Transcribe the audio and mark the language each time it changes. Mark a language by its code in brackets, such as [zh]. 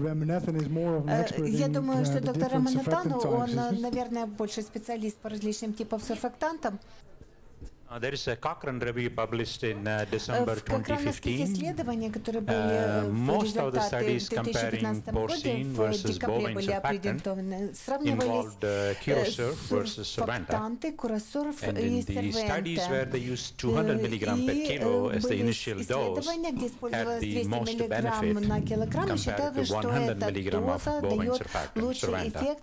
[en] Ramanathan is more of an expert in the different surfactant types. [ru] Он, наверное, больше специалист по различным типам сурфактантов. [en] There is a Cochrane review published in December 2015. Most of the studies comparing porcine versus bovine surfactant involved Curosurf versus Surbanta. And in the studies where they used 200 milligrams per kilo as the initial dose, had the most benefit compared to 100 milligrams of bovine surfactant Surbanta.